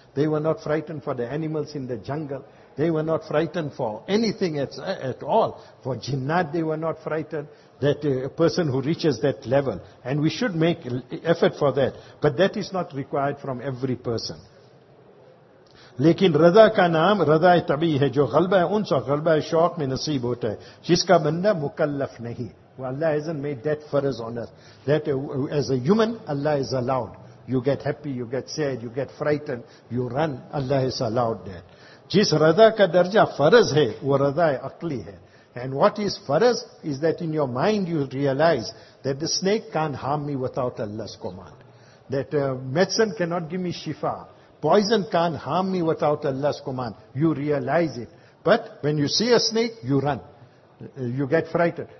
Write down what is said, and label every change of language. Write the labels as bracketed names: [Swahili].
[English] They were not frightened for the animals in the jungle. They were not frightened for anything at all. For jinnat, they were not frightened. That person who reaches that level. And we should make effort for that. But that is not required from every person. [Urdu] لیکن رضا کا نام رضا طبیعی ہے جو غلبہ انس اور غلبہ شوق میں نصیب ہوتا ہے جس کا بندہ مکلف نہیں. [English] Allah hasn't made that farz on earth. That as a human, Allah is allowed. You get happy, you get sad, you get frightened, you run. Allah has allowed that. [Urdu] جس رضا کا درجہ فرض ہے وہ رضا عقلی ہے. [English] And what is farz is that in your mind you realize that the snake can't harm me without Allah's command. That medicine cannot give me shifa. Poison can't harm me without Allah's command. You realize it. But when you see a snake, you run. You get frightened.